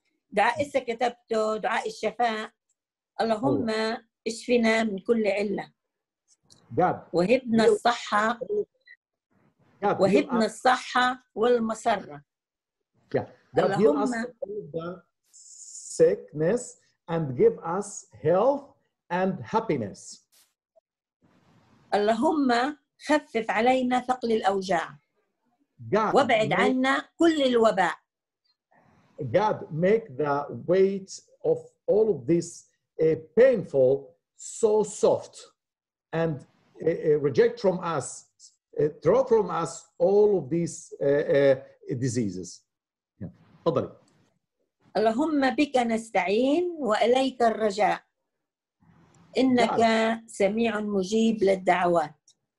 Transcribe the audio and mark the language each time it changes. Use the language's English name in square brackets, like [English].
[Arabic] دعاء كتبته دعاء الشفاء، اللهم اشفنا من كل علة وهبنا الصحة وهبنا الصحة والمسرة. [English] اللهم sickness and give us health and happiness. [Arabic] اللهم خفف علينا ثقل الأوجاع وابعد عنا كل الوباء. [English] God, make the weight of all of this painful so soft, and reject from us, throw from us all of these diseases. [Arabic] تفضلي. اللهم بك نستعين وإليك الرجاء، إنك سميع مجيب للدعوات.